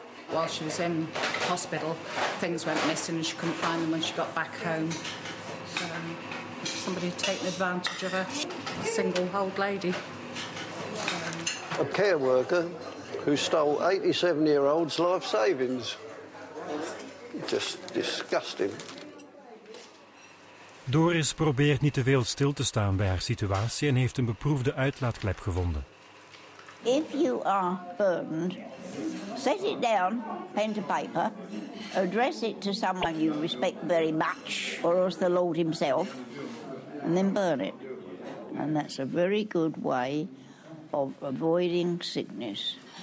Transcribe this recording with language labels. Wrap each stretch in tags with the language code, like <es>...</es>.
<en>While she was in hospital, things went missing and she couldn't find them when she got back home. So somebody had taken advantage of her, a single old lady. A care worker who stole 87-year-old's life savings. Just disgusting.</en> <nl>Doris probeert niet te veel stil te staan bij haar situatie en heeft een beproefde uitlaatklep gevonden.</nl> <en>If you are burdened, set it down, pen to paper, address it to someone you respect very much, or else the Lord himself, and then burn it. And that's a very good way of avoiding sickness.</en>